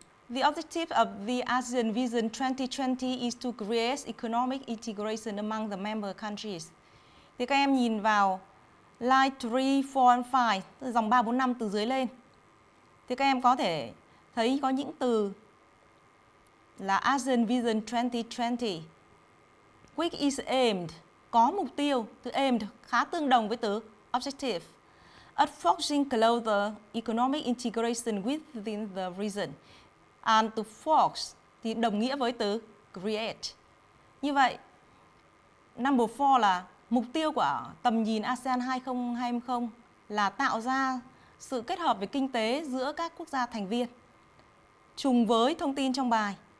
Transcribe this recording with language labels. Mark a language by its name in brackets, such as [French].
[English] The objective of the ASEAN Vision 2020 is to create economic integration among the member countries. [Vietnamese] Thì các em nhìn vào [English] line 3, 4 and 5, [Vietnamese] từ dòng 3, 4, 5 từ dưới lên. Thì các em có thể thấy có những từ là ASEAN Vision 2020. [English] Which is aimed, [Vietnamese] có mục tiêu, từ aimed khá tương đồng với từ objective. [English] At forging closer economic integration within the region. And to forge [Vietnamese] thì đồng nghĩa với từ create. Như vậy, number 4 là mục tiêu của tầm nhìn ASEAN 2020 là tạo ra sự kết hợp về kinh tế giữa các quốc gia thành viên. Trùng với thông tin trong bài.